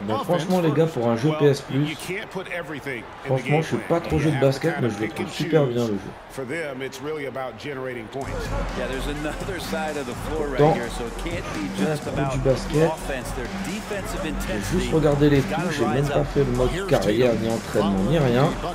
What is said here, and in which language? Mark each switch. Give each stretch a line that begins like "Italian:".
French: mais franchement, les gars, pour un jeu PS Plus, franchement, je suis pas trop jeu de basket, mais je le trouve super bien le jeu.
English: For them, it's really about generating points. Yeah, there's another side of the floor right here, so it can't be just about offense. Their defensive intensity.
French: Juste regarder les touches, j'ai même pas fait le mode carrière ni entraînement ni rien.